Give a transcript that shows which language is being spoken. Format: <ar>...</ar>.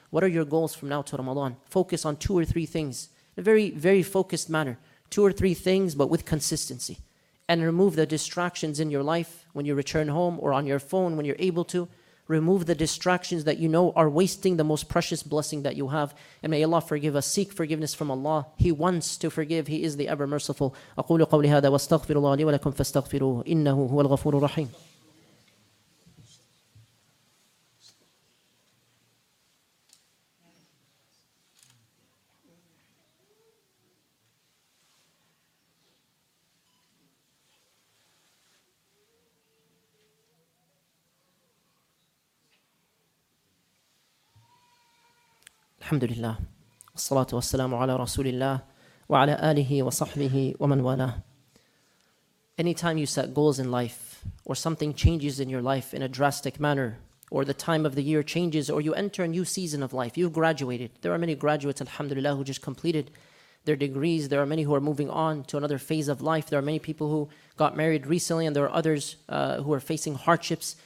<en>What are your goals from now to Ramadan? Focus on two or three things in a very, very focused manner. Two or three things, but with consistency. And remove the distractions in your life when you return home or on your phone when you're able to. Remove the distractions that you know are wasting the most precious blessing that you have. And may Allah forgive us. Seek forgiveness from Allah. He wants to forgive. He is the ever merciful.</en> <ar>أقول قولي هذا واستغفر الله لي ولكم فاستغفروه إنه هو الغفور الرحيم. الحمد لله والصلاة والسلام على رسول الله وعلى آله وصحبه ومن والاه.</ar> <en>Anytime you set goals in life or something changes in your life in a drastic manner or the time of the year changes or you enter a new season of life, you've graduated. There are many graduates, alhamdulillah, who just completed their degrees. There are many who are moving on to another phase of life. There are many people who got married recently and there are others who are facing hardships.</en>